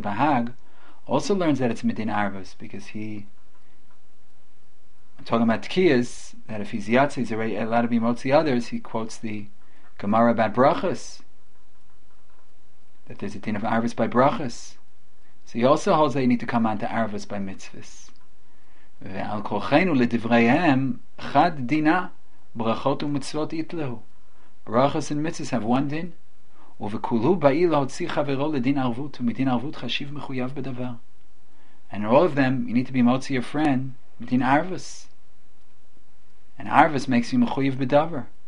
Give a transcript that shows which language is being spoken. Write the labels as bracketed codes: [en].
[en] The bahag also learns that it's medin arvus, because he, I'm talking about tkiyas, that if he's yatsim, he's already allowed to be motzi others. He quotes the gemara about brachas, that there's a din of arvus by brachas. So he also holds that you need to come on to arvus by mitzvahs. [he] ועל כוחנו לדבריהם חד דינה ברכות ומצוות יתלהו. [en] Brachas and mitzvahs have one din, [he] ובכולו באי להוציא חברו לדין ערבות, ומדין ערבות חשיב מחויב בדבר. [en] And all of them, you need to be motzi your friend מדין ערבוס, and ערבוס makes you מחויב בדבר.